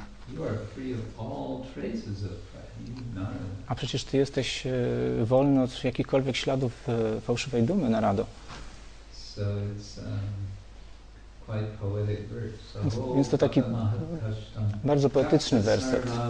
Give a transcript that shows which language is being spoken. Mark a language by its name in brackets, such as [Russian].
[English] You are free of all traces of pride. [Polish] A przecież ty jesteś wolny od jakichkolwiek śladów fałszywej dumy, Narado. [English] So it's quite poetic verse. So, [Polish] więc to taki bardzo poetyczny werset.